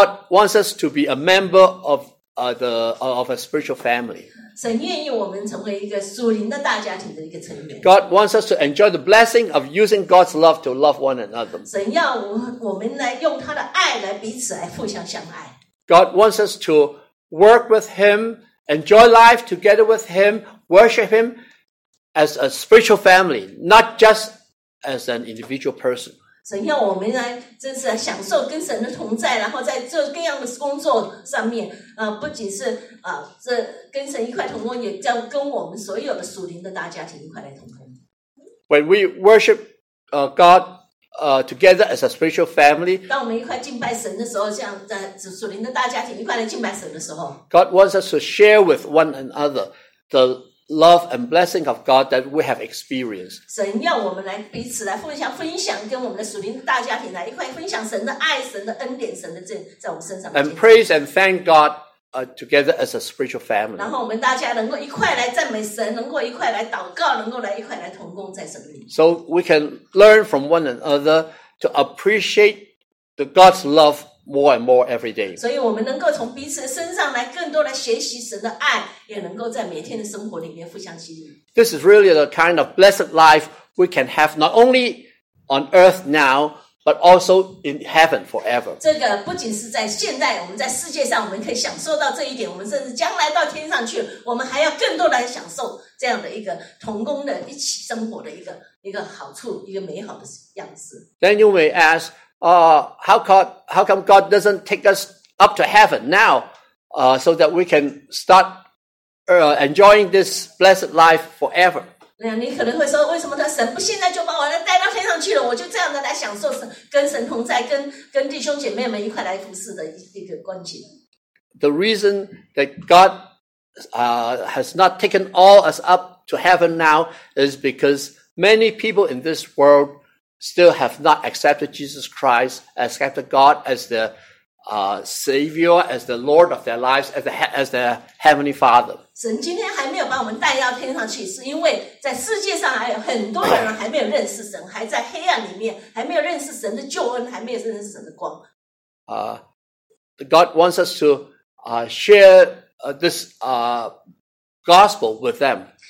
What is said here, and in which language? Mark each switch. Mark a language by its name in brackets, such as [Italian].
[English] God wants us to be a member of of a spiritual family. [Chinese] 神愿意我们成为一个属灵的大家庭的一个成员。 [English] God wants us to enjoy the blessing of using God's love to love one another. [Chinese] 神要我们来用他的爱来彼此来互相相爱。 [English] God wants us to work with Him, enjoy life together with Him, worship Him as a spiritual family, not just as an individual person. [Chinese] 神要我们来真是享受跟神的同在，然后在这各样的工作上面，不仅是这跟神一块同工，也叫跟我们所有的属灵的大家庭一块来同工。 [English] When we worship God together as a spiritual family, [Chinese] 当我们一块敬拜神的时候，像在属灵的大家庭一块来敬拜神的时候 [English] ，God wants us to share with one another the love and blessing of God that we have experienced. [Chinese] 神要我们来彼此来互相分享，跟我们的属灵大家庭来一块分享神的爱、神的恩典、神的在我们身上。 [English] And praise and thank God together as a spiritual family. [Chinese] 然后我们大家能够一块来赞美神，能够一块来祷告，能够来一块来同工在神里。 [English] So we can learn from one another to appreciate the God's love more and more every day. [Chinese] 所以我们能够从彼此身上来更多来学习神的爱，也能够在每天的生活里面互相吸引。 [English] This is really the kind of blessed life we can have not only on earth now, but also in heaven forever. [Chinese] 这个不仅是在现在，我们在世界上我们可以享受到这一点，我们甚至将来到天上去，我们还要更多来享受这样的一个同工的一起生活的一个好处，一个美好的样式。 [English] Then you may ask,how come God doesn't take us up to heaven now, so that we can start enjoying this blessed life forever? [Chinese] 你可能会说，为什么他神不现在就把我带到天上去了？我就这样的来享受神跟神同在，跟弟兄姐妹们一块来服侍的一个光景。 [English] The reason that God has not taken all us up to heaven now is because many people in this world. Still have not accepted Jesus Christ, accepted God as the Savior, as the Lord of their lives, as their Heavenly Father. [Chinese] 神今天还没有把我们带到天上去，是因为在世界上还有很多人还没有认识神，还在黑暗里面，还没有认识神的救恩，还没有认识神的光。 [English] God wants us to share this gospel with them.